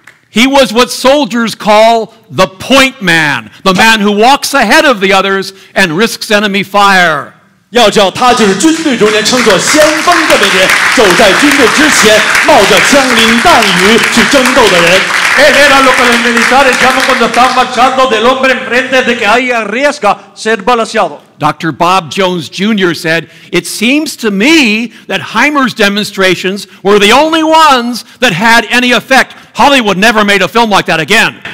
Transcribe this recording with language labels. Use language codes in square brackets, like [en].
[en] He was what soldiers call the point man, the man who walks ahead of the others and risks enemy fire. [zh] 要叫他就是军队中间称作先锋的那些，走在军队之前，冒着枪林弹雨去争斗的人。 [es] Él era lo que los militares llaman cuando están marchando del hombre enfrente de que ahí arriesga ser balanceado. [en] Dr. Bob Jones Jr. said, "It seems to me that Hymers' demonstrations were the only ones that had any effect. Hollywood never made a film like that again."